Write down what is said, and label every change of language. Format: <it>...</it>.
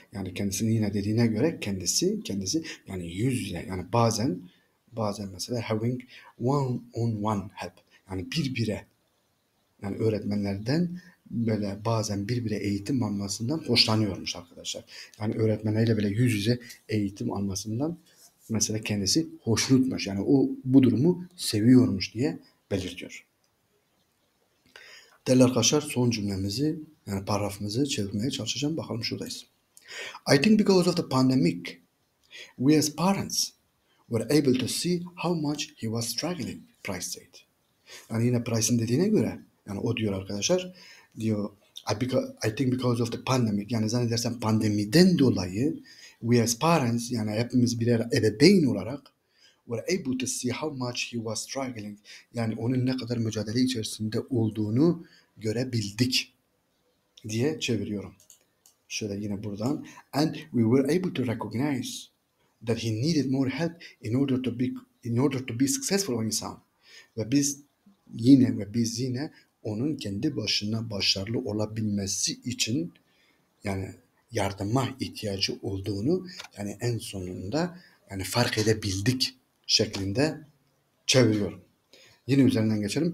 <tr>Yani kendisinin yine dediğine göre kendisi yani yüz yüze, yani bazen mesela</tr> <en>having one-on-one help,</en> <tr>yani bir bire, yani öğretmenlerden böyle bazen bir bire eğitim almasından hoşlanıyormuş arkadaşlar. Yani öğretmenlerle böyle yüz yüze eğitim almasından mesela kendisi hoşnutmuş. Yani o bu durumu seviyormuş diye belirtiyor. Değerli arkadaşlar, son cümlemizi, yani paragrafımızı çevirmeye çalışacağım. Bakalım şuradayız.</tr> <en>I think because of the pandemic, we as parents were able to see how much he was struggling, Price said.</en> <tr>Yani yine Price'ın dediğine göre, yani o diyor arkadaşlar, diyor,</tr> <en>I think because of the pandemic,</en> <tr>yani zannedersem pandemiden dolayı</tr> <en>we as parents,</en> <tr>yani hepimiz birer ebeveyn olarak</tr> <en>were able to see how much he was struggling.</en> <tr>Yani onun ne kadar mücadele içerisinde olduğunu görebildik diye çeviriyorum. Şöyle yine buradan.</tr> <en>And we were able to recognize that he needed more help in order to be successful on his own.</en> <tr>Ve biz yine onun kendi başına başarılı olabilmesi için yani yardıma ihtiyacı olduğunu yani en sonunda yani fark edebildik şeklinde çeviriyorum. Yine üzerinden geçelim.</tr>